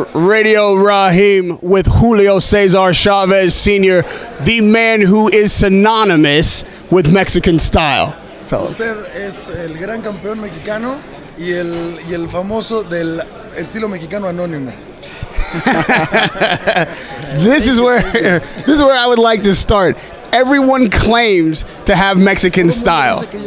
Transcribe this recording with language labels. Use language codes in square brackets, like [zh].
[en] Radio Raheem with Julio Cesar Chavez Sr., the man who is synonymous with Mexican style. So. [es] Usted es el gran campeón mexicano y el famoso del estilo mexicano anónimo. [en] This is where I would like to start. Everyone claims to have Mexican style.